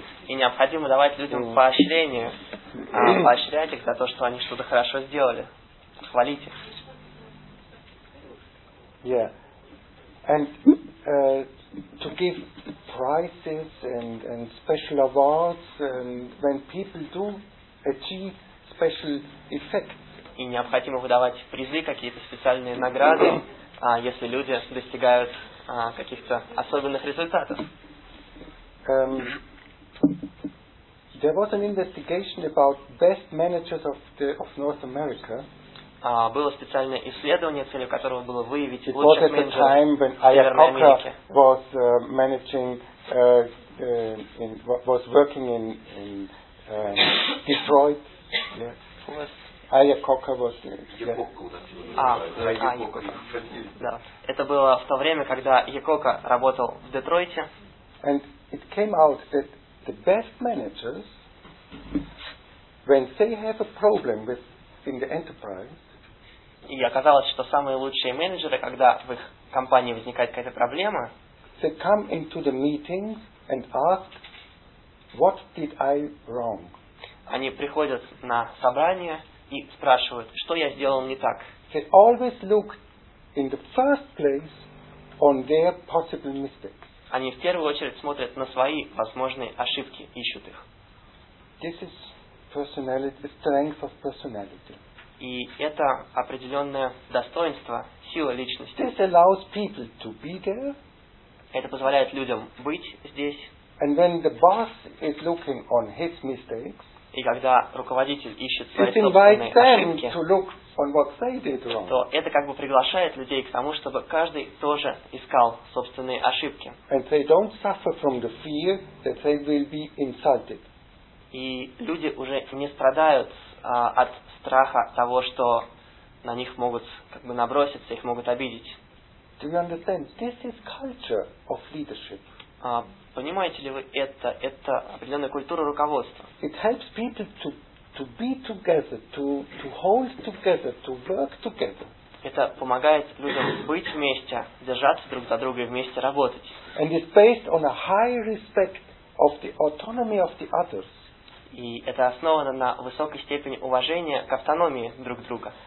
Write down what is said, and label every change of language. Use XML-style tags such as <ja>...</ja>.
<ru>И необходимо давать людям поощрение, поощрять их за то, что они что-то хорошо сделали, хвалить их.</ru> <en>Yeah, and to give prizes and special awards and when people do achieve special effects.</en> <ru>И необходимо выдавать призы, какие-то специальные награды, если люди достигают каких-то особенных результатов.</ru> <en>There was an investigation about best managers of North America.</en> <ru>Было специальное исследование, целью которого было выявить лучших менеджеров Северной Америки.</ru> <en>It was at the time when Iacocca was managing, was working in Detroit. Iacocca was</en> <ru>Это было в то время, когда Iacocca работал в Детройте.</ru> <en>And it came out that the best managers, when they have a problem with in the enterprise.</en> <ru>И оказалось, что самые лучшие менеджеры, когда в их компании возникает какая-то проблема,</ru> <en>they come into the meetings and ask, what did I wrong?</en> <ru>Они приходят на собрание и спрашивают, что я сделал не так.</ru> <en>They always look in the first place on their possible mistakes.</en> <ru>Они в первую очередь смотрят на свои возможные ошибки, ищут их.</ru> <en>This is personality, strength of personality.</en> <ru>И это определенное достоинство, сила личности.</ru> <en>This allows people to be there.</en> <ru>Это позволяет людям быть здесь.</ru> <en>And when the boss is looking on his mistakes,</en> <ru>и когда руководитель ищет свои собственные ошибки, то это как бы приглашает людей к тому, чтобы каждый тоже искал собственные ошибки.</ru> <en>And they don't suffer from the fear that they will be insulted.</en> <ru>И люди уже не страдают от страха того, что на них могут как бы наброситься, их могут обидеть.</ru> <en>Do you understand? This is culture of leadership.</en> <ru>Понимаете ли вы это? Это определенная культура руководства.</ru> <en>It helps people to be together, to hold together, to work together.</en> <ru>Это помогает людям быть вместе, держаться друг за друга и вместе работать.</ru> <en>And it's based on a high respect of the autonomy of the others.</en> <ru>И это основано на высокой степени уважения к автономии друг друга.</ru>